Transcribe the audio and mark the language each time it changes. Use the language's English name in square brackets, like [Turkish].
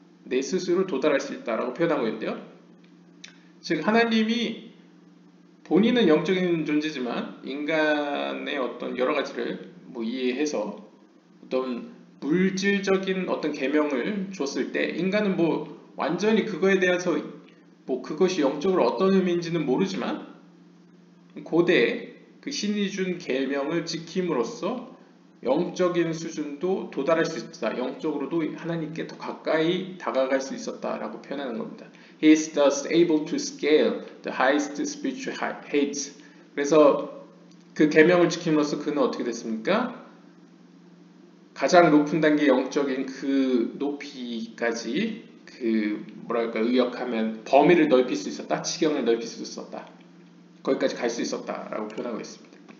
[Korean] 내 스스로 도달할 수 있다라고 표현하고 있는데요. 즉 하나님이 본인은 영적인 존재지만 인간의 어떤 여러 가지를 뭐 이해해서 어떤 물질적인 어떤 계명을 줬을 때 인간은 뭐 완전히 그거에 대해서 뭐 그것이 영적으로 어떤 의미인지는 모르지만 고대 그 신이 준 계명을 지킴으로써 영적인 수준도 도달할 수 있다. 영적으로도 하나님께 더 가까이 다가갈 수 있었다라고 표현하는 겁니다. [English] He is thus able to scale the highest spiritual heights. [Korean] 그래서 그 계명을 지킴으로써 그는 어떻게 됐습니까? 가장 높은 단계 영적인 그 높이까지 그 뭐랄까 의역하면 범위를 넓힐 수 있었다. 지경을 넓힐 수 있었다. 거기까지 갈 수 있었다라고 표현하고 있습니다.